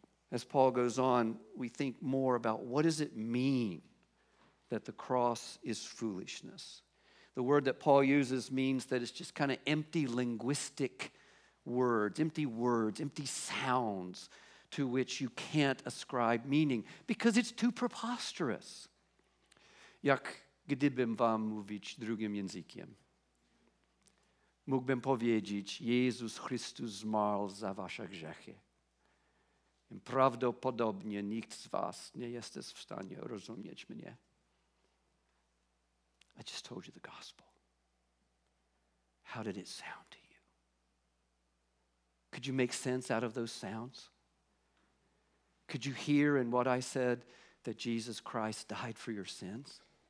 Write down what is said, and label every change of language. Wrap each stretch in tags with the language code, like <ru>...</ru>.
<en>As Paul goes on, we think more about what does it mean that the cross is foolishness. The word that Paul uses means that it's just kind of empty linguistic words, empty sounds to which you can't ascribe meaning because it's too preposterous.</en> <pl>Jak gdybym wam mówić drugim językiem, mógłbym powiedzieć, Jezus Chrystus zmarł za wasze grzechy. Prawdopodobnie nikt z was nie jest w stanie rozumieć mnie.</pl> <en>I just told you the gospel. How did it sound to you? Could you make sense out of those sounds? Could you hear in what I said that Jesus Christ died for your sins?</en>